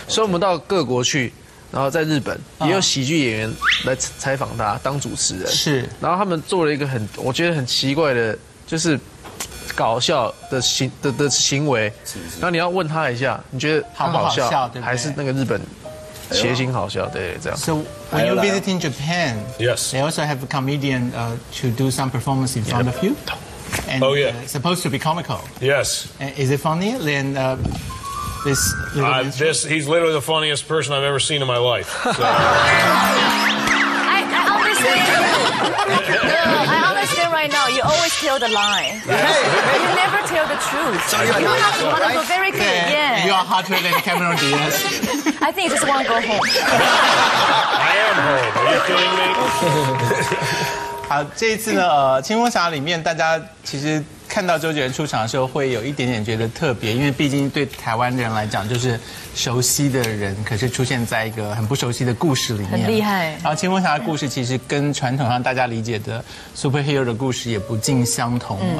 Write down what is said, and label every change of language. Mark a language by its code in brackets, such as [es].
[zh] 所以我们到各国去，然后在日本也有喜剧演员来采访他当主持人，是。然后他们做了一个很我觉得很奇怪的，就是搞笑的行为，然后你要问他一下，你觉得好不好笑，还是那个日本谐星好笑，对，这样。 [en] When you're visiting Japan, yes. They also have a comedian to do some performance in front of you. And, oh, yeah. It's supposed to be comical. Yes. Is it funny? Then this little this, he's literally the funniest person I've ever seen in my life. So. I understand. No, I understand right now. You always tell the lie. Yes. You never tell the truth. So you're not so wonderful. Right? Very good. Yeah. You are hotter than Cameron Diaz. I think you just want to go home. Are you feeling me? [zh] 好，这一次呢，《青蜂侠》里面大家其实看到周杰伦出场的时候会有一点点觉得特别，因为毕竟对台湾人来讲就是熟悉的人，可是出现在一个很不熟悉的故事里面，很厉害。然后青蜂侠的故事其实跟传统上大家理解的 superhero 的故事也不尽相同。